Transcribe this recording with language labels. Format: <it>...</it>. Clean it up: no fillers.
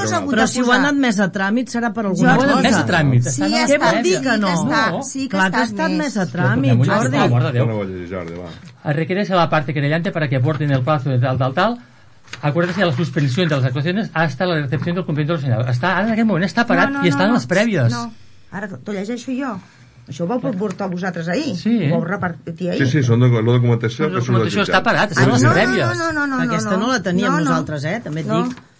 <ca>però si ho han admès a tràmit, serà per alguna cosa. Ho han admès a tràmit. Què vol dir que no? Sí que ha estat més a tràmit, Jordi. Ah, guarda, Déu.</ca> <es>Es requiere a la parte querellante para que aporten el plazo de tal. Acuérdese de la suspensión de las actuaciones hasta la recepción del cumplimiento ordenado. Está, ahora en aquel momento está parado y están las previas.</es> <ca>No, ara t'ho llegeixo jo. Això ho vau portar a vosaltres ahir. Sí. Ho vau repartir ahir. Sí, són la documentació. La documentació està parada, estan les prèvies. No. Aquesta no la teníem nosaltres, també et dic.</ca>